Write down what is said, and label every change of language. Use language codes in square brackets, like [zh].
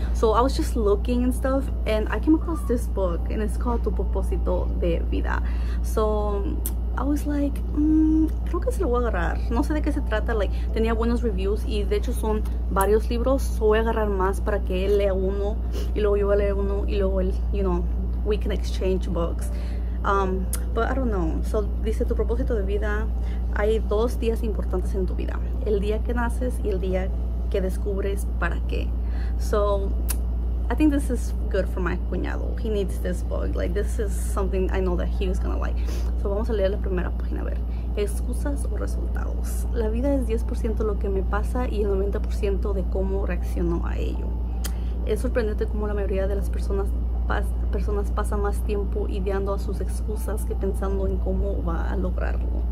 [en] So I was just looking and stuff and I came across this book and it's called Tu Propósito de Vida. So I was like, [es] creo que se lo voy a agarrar. No sé de qué se trata, like, tenía buenos reviews y de hecho son varios libros. So voy a agarrar más para que él lea uno y luego yo voy a leer uno y luego él, [en] you know, we can exchange books. But I don't know. [es] So dice Tu Propósito de Vida, hay dos días importantes en tu vida, el día que naces y el día que descubres para qué. [en] So I think this is good for my cuñado. He needs this book. Like, this is something I know that he is gonna like. [es] So vamos a leer la primera página a ver. Excusas o resultados. La vida es 10% lo que me pasa y el 90% de cómo reacciono a ello. Es sorprendente cómo la mayoría de las personas pasan más tiempo ideando a sus excusas que pensando en cómo va a lograrlo.